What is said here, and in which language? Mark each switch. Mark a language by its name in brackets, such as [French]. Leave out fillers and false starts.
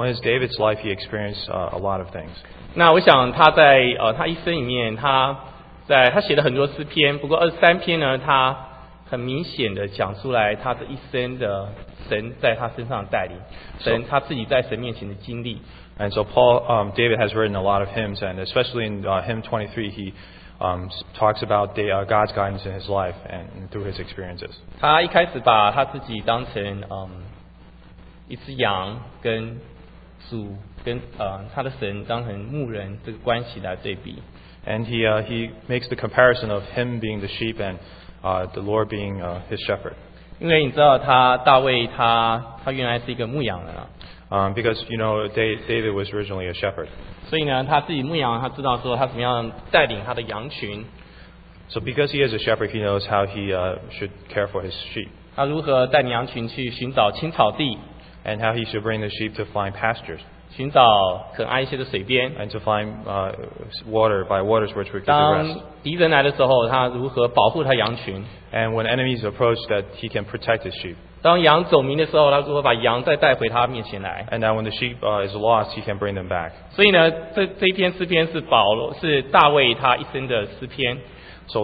[English] in his David's life, he experienced a lot of things. [Chinese] 那我想他在他一生里面他。对，他写了很多诗篇，不过23篇呢，他很明显的讲出来他的一生的神在他身上带领，神他自己在神面前的经历。And [English] so Paul, David has written a lot of hymns, and especially in hymn 23, he talks about the God's guidance in his life and through his experiences. [Chinese] 他一开始把他自己当成 一只羊跟主跟他的神当成牧人这个关系来对比。 [English] And he makes the comparison of him being the sheep and the Lord being his shepherd. [Chinese] 因为你知道他大卫他原来是一个牧羊人啊。 [English] Because you know David was originally a shepherd. [Chinese] 所以呢，他自己牧羊，他知道说他怎么样带领他的羊群。 [English] So because he is a shepherd, he knows how he should care for his sheep. [Chinese] 他如何带领羊群去寻找青草地。 [English] And how he should bring the sheep to find pastures. [Chinese] 寻找可安歇的水边, [English] and to find water by waters which we can rest. And when enemies approach, that he can protect his sheep. And that when the sheep is lost, he can bring them back. [Chinese] 所以呢，这篇诗篇是大卫他一生的诗篇。So